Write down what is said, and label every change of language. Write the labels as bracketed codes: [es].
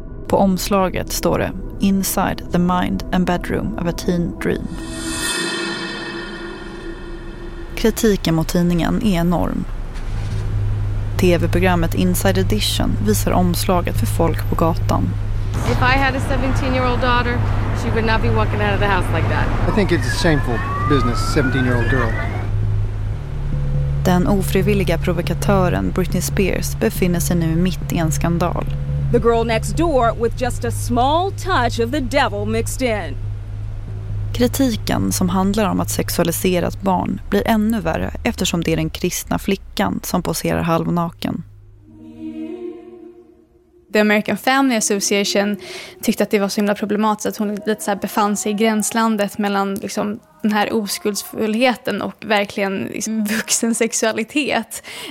[sv] På omslaget står det Inside the Mind and Bedroom of a Teen Dream. Kritiken mot tidningen är enorm. TV-programmet Inside Edition visar omslaget för folk på gatan. [en] If I had a 17-year-old daughter, she would not be walking out of the house like that. I think it's a shameful business, 17-year-old girl. [sv] Den ofrivilliga provokatören Britney Spears befinner sig nu mitt i en skandal. [en] The girl next door with just a small touch of the devil mixed in. [sv] Kritiken som handlar om att sexualisera ett barn blir ännu värre eftersom det är den kristna flickan som poserar halvnaken. The American Family Association tyckte att det var så himla problematiskt att hon lite så här befann sig i gränslandet mellan liksom den här oskuldsfullheten och verkligen liksom vuxen sexualitet.